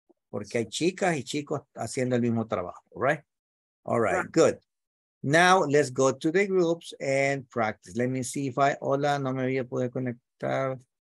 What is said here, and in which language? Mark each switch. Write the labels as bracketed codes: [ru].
[es] Porque hay chicas y chicos haciendo el mismo trabajo, right? [en] All right, good. Now let's go to the groups and practice. Let me see if [es] hola, no me había podido conectar.